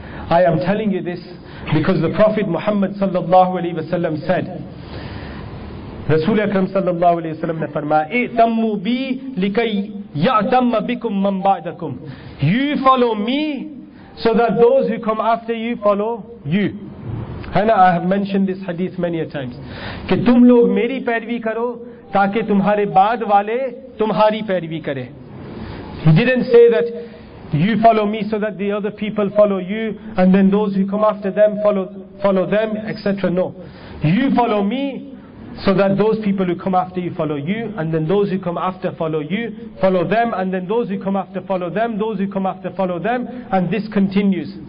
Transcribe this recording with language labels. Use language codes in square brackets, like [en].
[en] I am telling you this because the Prophet Muhammad sallallahu alaihi wasallam said, [ur] Rasul Akram sallallahu alaihi wasallam ne farmaya, [ar] "I'tammu bi likay ya'tam bikum man ba'dakum." [en] You follow me so that those who come after you follow you. And I have mentioned this hadith many a times. [ur] Ke tum log meri pairvi karo تاکہ تمہارے بعد والے تمہاری پیروی کرے. [en] He didn't say that you follow me so that the other people follow you and then those who come after them follow them, etc. No. You follow me so that those people who come after you follow you and then those who come after follow you follow them and then those who come after follow them, those who come after follow them, and this continues.